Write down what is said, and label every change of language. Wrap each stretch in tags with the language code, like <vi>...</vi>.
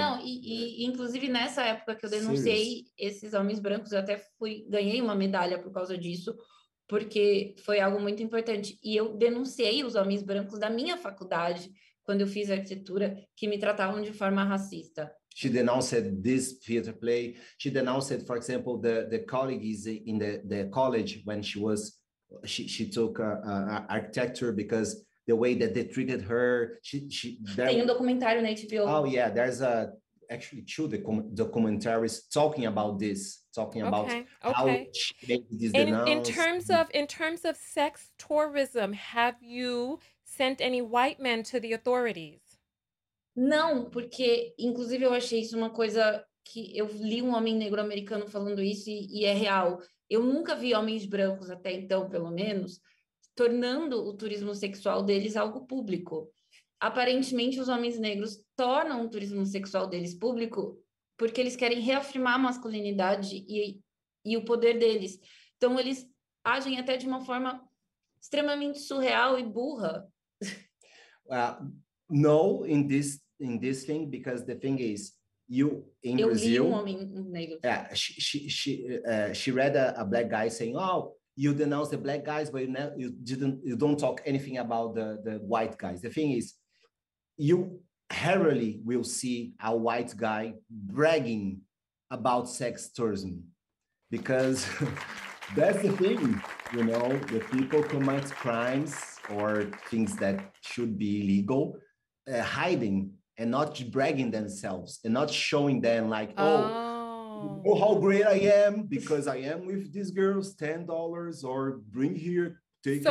<pt>Não, e inclusive nessa época que eu denunciei</pt> <en>Seriously?</en> <pt>Esses homens brancos, eu até ganhei uma medalha por causa disso, porque foi algo muito importante. E eu denunciei os homens brancos da minha faculdade, quando eu fiz arquitetura, que me tratavam de forma racista.</pt> <en>She denounced this theater play. She denounced, for example, the colleagues in the college when she was, she took architecture because the way that they treated her.</en> <pt>Tem um documentário na HBO.</pt> <en>Oh, yeah. There's actually two documentaries talking about this. Talking about how she made this denounce. In terms of sex tourism, have you sent any white men to the authorities?</en> <pt>Não, porque, inclusive, eu achei isso uma coisa que eu li um homem negro americano falando isso e é real. Eu nunca vi homens brancos até então, pelo menos, tornando o turismo sexual deles algo público. Aparentemente, os homens negros tornam o turismo sexual deles público porque eles querem reafirmar a masculinidade e o poder deles. Então, eles agem até de uma forma extremamente surreal e burra.</pt> <en>No, in this thing, because the thing is, you in</en> <pt>Eu</pt> <en>Brazil...</en> <pt>Eu li um homem negro.</pt> <en>Yeah, she read a black guy saying, oh, you denounce the black guys, but you don't talk anything about the white guys. The thing is, you rarely will see a white guy bragging about sex tourism, because that's the thing, you know, the people commit crimes or things that should be illegal, hiding and not bragging themselves and not showing them like, oh, oh, how great I am, because I am with these girls, $10, or bring here, take</en>